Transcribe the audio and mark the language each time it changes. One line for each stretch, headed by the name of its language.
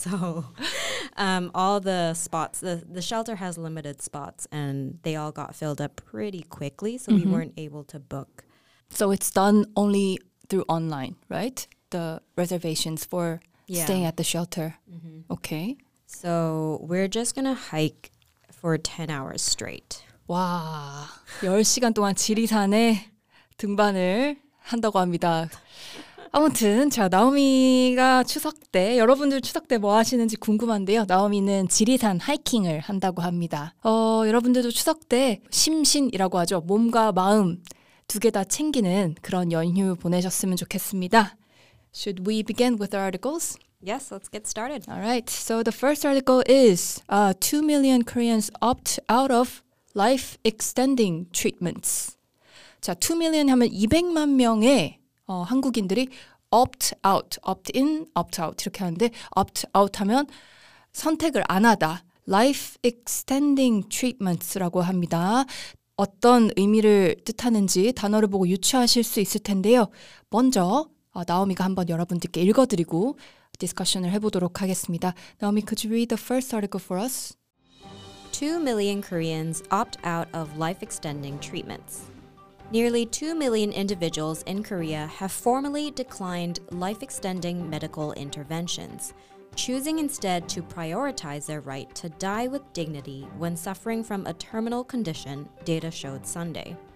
English: So all the spots, the shelter has limited spots and they all got filled up pretty quickly. So mm-hmm. we weren't able to book. So it's done only through online, right? The reservations for... Yeah. Staying at the shelter. Mm-hmm. Okay. So we're just going to hike for 10 hours straight. Wow.
Korean: 10시간 동안 지리산에 등반을 한다고 합니다. 아무튼 자, 나오미가 추석 때, 여러분들 추석 때 뭐 하시는지 궁금한데요. 나오미는 지리산 하이킹을 한다고 합니다. 여러분들도 추석 때 심신이라고 하죠. 몸과 마음 두 개 다 챙기는 그런 연휴 보내셨으면 좋겠습니다.
English: Should we begin with our articles? Yes, let's get started. All right. So the first article is 2 million Koreans opt out of life extending treatments.
Korean: 자, 2 million 하면 200만 명의 한국인들이 opt out, opt in, opt out 이렇게 하는데 opt out 하면 선택을 안 하다.
English: Life extending treatments
Korean: 라고 합니다. 어떤 의미를 뜻하는지 단어를 보고 유추하실 수 있을 텐데요. 먼저 나오미가 한번 여러분들께 읽어드리고 디스커션을 해보도록 하겠습니다.
English: Naomi, could you read the first article for us? 2 million Koreans opt out of life-extending treatments. Nearly 2 million individuals in Korea have formally declined life-extending medical interventions, choosing instead to prioritize their right to die with dignity when suffering from a terminal condition, data showed Sunday.